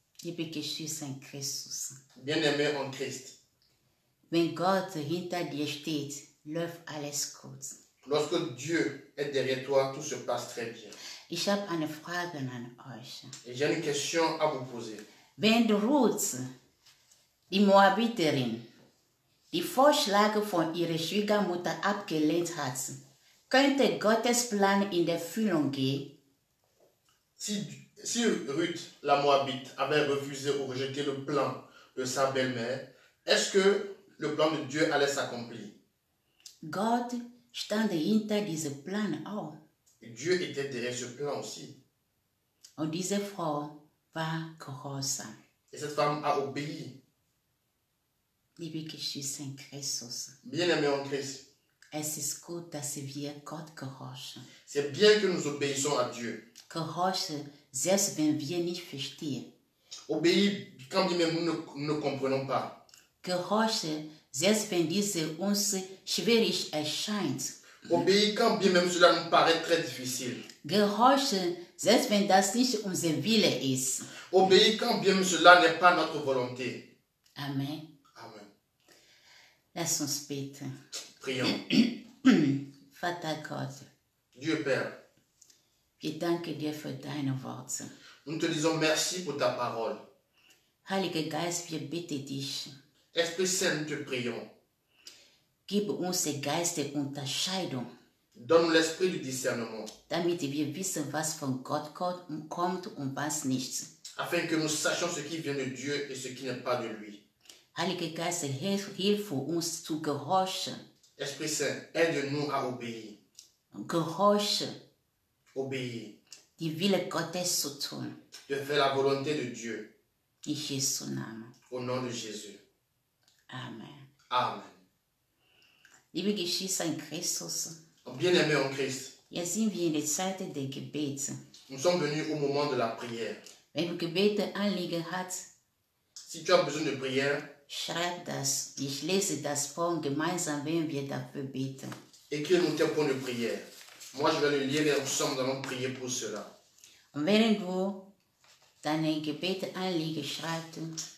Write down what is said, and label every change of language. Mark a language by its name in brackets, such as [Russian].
[German] Liebe Geschwister in Christus. [French] Bien-aimé en Christ. [German] Wenn Gott hinter dir steht, läuft alles gut. [French] Lorsque Dieu est derrière toi, tout se passe très bien. [German] Ich habe eine Frage an euch. [French] Et j'ai une question à vous poser. [German] Wenn Ruth, die Moabiterin, die Vorschläge von ihrer Schwiegermutter abgelehnt hat, könnte Gottes Plan in Erfüllung gehen? [French] Si Ruth, la Moabite, avait refusé ou rejeté le plan de sa belle-mère, est-ce que le plan de Dieu allait s'accomplir? [German] Gott stand hinter diesem Plan auch. [French] Dieu était derrière ce plan aussi. [German] Und diese Frau war gehorsam. [French] Et cette femme a obéi. [German] Liebe Geschwister in Christus. [French] Bien-aimé en Christ. [German] Es ist gut, dass wir Gott gehorchen. [French] C'est bien que nous obéissons à Dieu. [German] Gehorchen, selbst wenn wir nicht verstehen. [French] Obéir quand même nous ne comprenons pas. [German] Gehorchen, selbst wenn diese uns schwierig erscheint. [French] Obéir quand bien même cela nous paraît très difficile. [German] Gehorchen, selbst wenn das nicht unser Wille ist. [French] Obéir quand bien même cela n'est pas notre volonté. [German] Amen. [French] Amen. [German] Lass uns beten. [French] Prions. [German] Vater Gott. [French] Dieu Père. [German] Wir danken dir für deine Worte. [French] Nous te disons merci pour ta parole. [German] Heilige Geist, wir bitten dich. [French] Esprit Saint, nous te prions. [German] Gib uns den Geist der Unterscheidung. [French] Donne-nous l'esprit du discernement. [German] Damit wir wissen, was von Gott kommt und was nicht. [French] Afin que nous sachions ce qui vient de Dieu et ce qui n'est pas de lui. [German] Heilige Geist, hilf uns zu gehorchen. [French] Esprit Saint, aide-nous à obéir. [German] Gehorchen. [French] Obéir. [German] Die Wille Gottes zu tun. [French] De faire la volonté de Dieu. [German] In Jesu Namen. [French] Au nom de Jésus. [German] Amen. [French] Amen. [German] Liebe Geschwister in Christus. [French] Bien-aimés en Christ. [German] Jetzt sind wir in der Zeit des Gebets. [French] Nous sommes venus au moment de la prière. [German] Wenn du Gebete anliegen hast, [French] si tu as besoin de prière, [German] schreib das. Ich lese das vor und gemeinsam werden wir dafür beten. [French] Écris-nous tes points de prière. Moi, je vais le lire et ensemble, nous allons prier pour cela. [German] Und wenn du deine Gebete anliegen schreibst,